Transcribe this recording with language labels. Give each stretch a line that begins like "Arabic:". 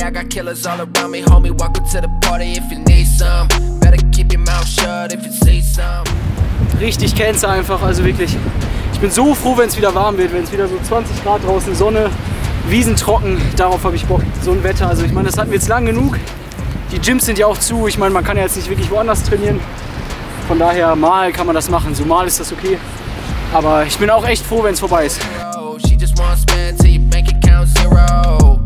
English: Killers all around me, homie, welcome to the party if you need some. Better keep your mouth shut if you see some.
German: Richtig Cancer einfach, also wirklich. Ich bin so froh, wenn es wieder warm wird, wenn es wieder so 20 Grad draußen, Sonne, Wiesen trocken. Darauf habe ich Bock, so ein Wetter. Also ich meine, das hatten wir jetzt lang genug. Die Gyms sind ja auch zu. Ich meine, man kann ja jetzt nicht wirklich woanders trainieren. Von daher, mal kann man das machen. So mal ist das okay. Aber ich bin auch echt froh, wenn es vorbei ist.
English: She just wants spend till your bank account zero.